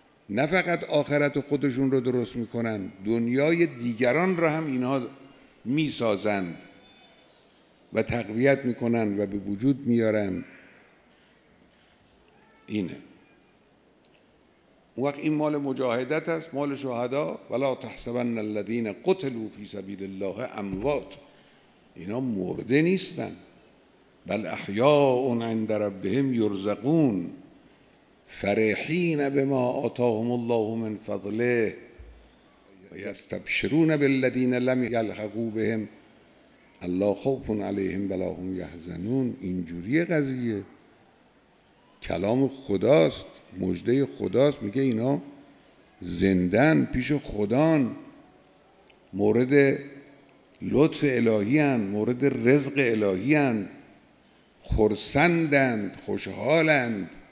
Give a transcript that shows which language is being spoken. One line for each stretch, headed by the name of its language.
Persian: نه فقط آخرت خودشون رو درست میکنن، دنیای دیگران رو هم اینها میسازند و تقویت میکنن و به وجود میارن. اینه. وقت این مال مجاهدت است، مال شهدا.
Arabic: ولا تحسبن الذين قتلوا في سبيل الله اموات،
Persian: اینا مرده نیستن،
Arabic: بل احیاء عند ربهم يرزقون، فرحین بما آتاهم الله من فضله، ويستبشرون بالذين لم يلحقوا بهم الله خوف عليهم ولا هم يحزنون.
Persian: اینجوری قضیه، کلام خداست، مژده خداست، میگه اینا زندن پیش خدان، مورد لطف الهی هن، مورد رزق الهی هن، خرسندند، خوشحالند.